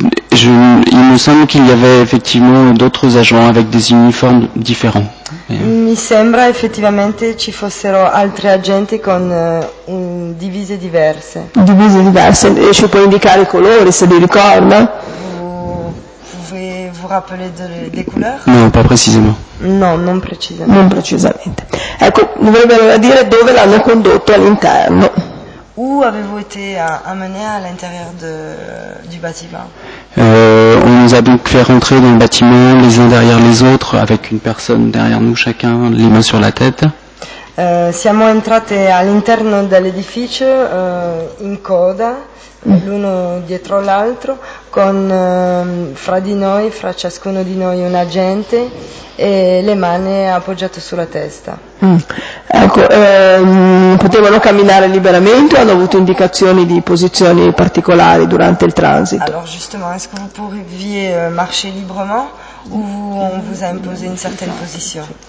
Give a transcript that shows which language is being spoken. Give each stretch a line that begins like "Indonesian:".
French: Il me semble qu'il y avait effectivement d'autres agents avec des uniformes différents.
Italian: Mi sembra effettivamente ci fossero altri agenti con divise diverse. Divise diverse, e ci può indicare i colori se li ricorda?
French: Vous rappelez des couleurs? Non, pas précisément. Non, non précisément. Non précisément.
Italian: Ecco, dovrebbero dire dove l'hanno condotto all'interno.
French: Où avez-vous été amené à l'intérieur du bâtiment? On nous a donc fait rentrer dans le bâtiment les uns derrière les autres, avec une personne derrière nous chacun, les mains sur la tête.
Italian: Siamo entrate all'interno dell'edificio in coda, l'uno dietro l'altro, con fra di noi, fra ciascuno di noi un agente e le mani appoggiate sulla testa. Ecco, potevano camminare liberamente o hanno avuto indicazioni di posizioni particolari durante il transito? Allora, giustamente,
French: est-ce que vous pouviez marcher librement ou on vous a imposé une certaine position?